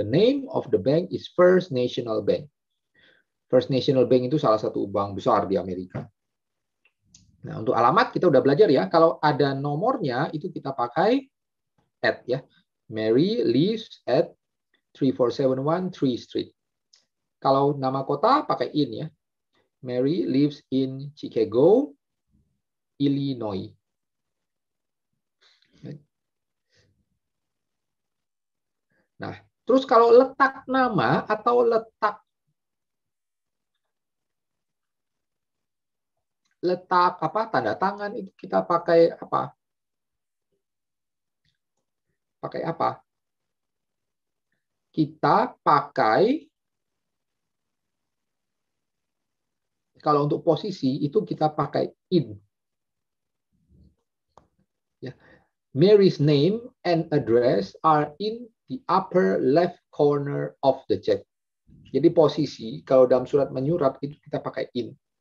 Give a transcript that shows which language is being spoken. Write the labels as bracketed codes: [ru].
[en] The name of the bank is First National Bank. [id] First National Bank itu salah satu bank besar di Amerika. Nah, untuk alamat kita udah belajar ya, kalau ada nomornya itu kita pakai at ya. [en] Mary lives at 3471 3 Street. [id] Kalau nama kota pakai in ya. [en] Mary lives in Chicago, Illinois. [id] Nah, terus kalau letak nama atau letak letak apa tanda tangan itu kita pakai apa? Pakai apa? Kita pakai kalau untuk posisi itu kita pakai in. Ya. [en] Mary's name and address are in the upper left corner of the check. [id] Jadi posisi kalau dalam surat menyurat itu kita pakai in.